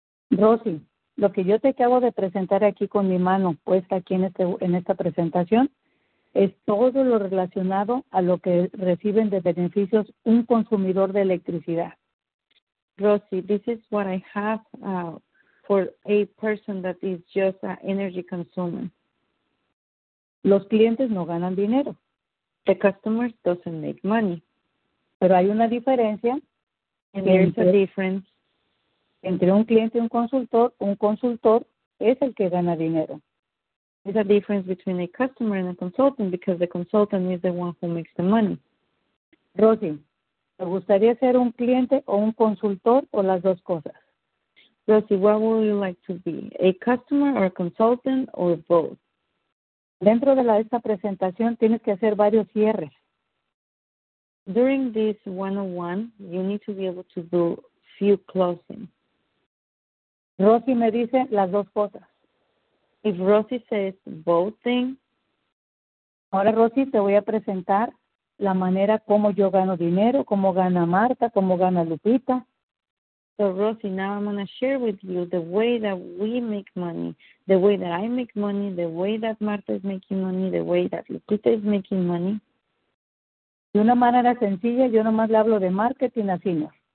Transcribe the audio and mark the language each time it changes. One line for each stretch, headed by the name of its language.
Spanish: Rosy, lo que yo te acabo de presentar aquí con mi mano puesta aquí en esta presentación es todo lo relacionado a lo que reciben de beneficios un consumidor de electricidad.
English: Rosy, this is what I have for a person that is just an energy consumer.
Spanish: Los clientes no ganan dinero.
English: The customers doesn't make money.
Spanish: Pero hay una diferencia.
English: And there's a difference.
Spanish: Entre un cliente y un consultor es el que gana dinero.
English: There's a difference between a customer and a consultant, because the consultant is the one who makes the money.
Spanish: Rosy, ¿te gustaría ser un cliente o un consultor o las dos cosas?
English: Rosy, what would you like to be, a customer or a consultant or both?
Spanish: Dentro de esta presentación tienes que hacer varios cierres.
English: During this 101, you need to be able to do few closings.
Spanish: Rosy me dice las dos cosas.
English: If Rosy says both things.
Spanish: Ahora, Rosy, te voy a presentar la manera como yo gano dinero, cómo gana Marta, cómo gana Lupita.
English: So, Rosy, now I'm going to share with you the way that we make money, the way that I make money, the way that Marta is making money, the way that Lupita is making money.
Spanish: De una manera sencilla, yo nomás le hablo de marketing así, ¿no?